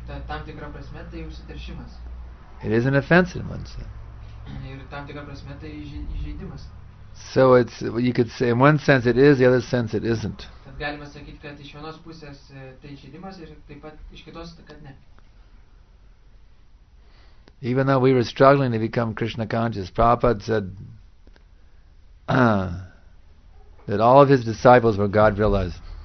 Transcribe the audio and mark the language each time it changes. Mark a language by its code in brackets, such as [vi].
[lt] tam tikra prasme tai užsiteršimas. [en] It is an offense in one sense. [lt] Ir tam tikra prasme tai įžeidimas. [en] So it's, you could say in one sense it is, the other sense it isn't. [lt] Tad galima sakyti, kad iš vienos pusės tai įžeidimas ir taip pat iš kitos, kad ne. [en] Even though we were struggling to become Krishna conscious, Prabhupada said that all of his disciples were God realized.